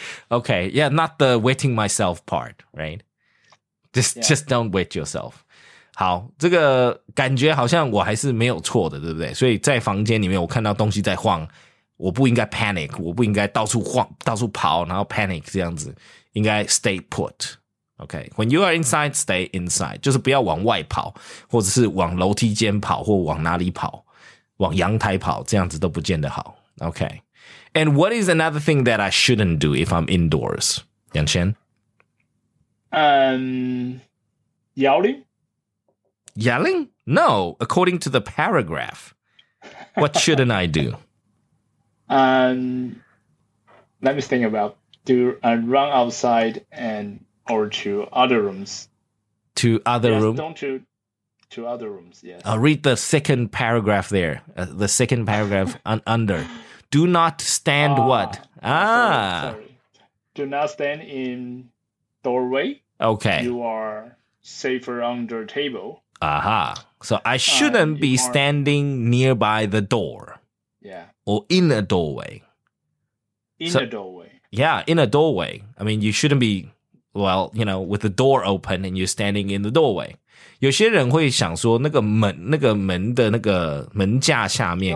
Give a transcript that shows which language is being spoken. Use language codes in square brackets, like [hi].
[en] Okay, yeah, not the wetting myself part, right? Just don't wet yourself. [zh] 好，这个感觉好像我还是没有错的，对不对？所以在房间里面我看到东西在晃，我不应该 panic, 我不应该到处晃，到处跑，然后 panic 这样子。应该 [en] stay put, okay? When you are inside, stay inside. [zh] 就是不要往外跑，或者是往楼梯间跑，或往哪里跑，往阳台跑，这样子都不见得好。 [en] Okay. And what is another thing that I shouldn't do if I'm indoors? [zh] 杨轩？ [en] Yelling? Yelling? No, according to the paragraph. What shouldn't I do? Let me think about run outside and or to other rooms. To other rooms? Don't you? To other rooms, yes. I'll read the second paragraph there. The second paragraph under. Do not stand what? Do not stand in doorway. Okay. You are safer under table. Aha. So I shouldn't be standing nearby the door. Yeah. Or in a doorway. In a doorway. Yeah, in a doorway. I mean, you shouldn't be, well, you know, with the door open and you're standing in the doorway. [zh] 有些人会想说那个门的那个门架下面。